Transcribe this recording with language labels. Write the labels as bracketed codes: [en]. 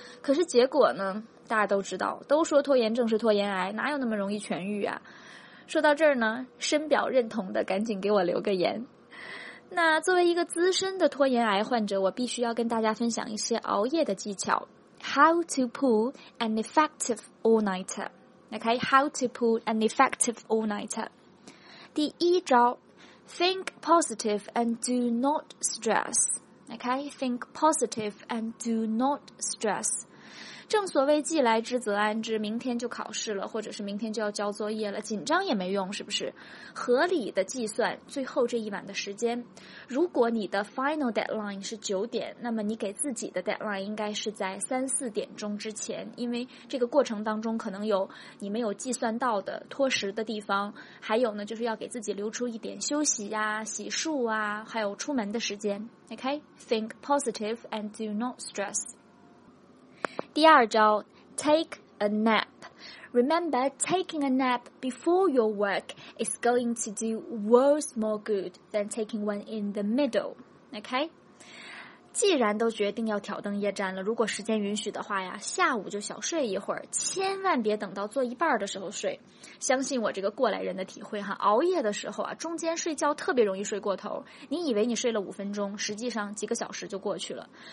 [zh] 可是结果呢大家都知道，都说拖延症是拖延癌，哪有那么容易痊愈啊。说到这儿呢，深表认同的赶紧给我留个言。那作为一个资深的拖延癌患者，我必须要跟大家分享一些熬夜的技巧。 [en] How to pull an effective all-nighter. OK, how to pull an effective all-nighter. [zh] 第一招 [en] ,think positive and do not stress. OK, think positive and do not stress. [zh] 正所谓既来之则安之，明天就考试了，或者是明天就要交作业了，紧张也没用，是不是？合理的计算最后这一晚的时间，如果你的 final deadline 是九点，那么你给自己的 deadline 应该是在三四点钟之前，因为这个过程当中可能有你没有计算到的拖时的地方，还有呢就是要给自己留出一点休息呀、洗漱啊，还有出门的时间。 [en] OK, think positive and do not stress. [zh] 第二招 [en] ,take a nap. Remember, taking a nap before your work is going to do worse more good than taking one in the middle. OK? [zh] 既然都决定要挑灯夜战了，如果时间允许的话呀，下午就小睡一会儿，千万别等到做一半的时候睡。相信我这个过来人的体会哈，熬夜的时候啊，中间睡觉特别容易睡过头，你以为你睡了五分钟，实际上几个小时就过去了。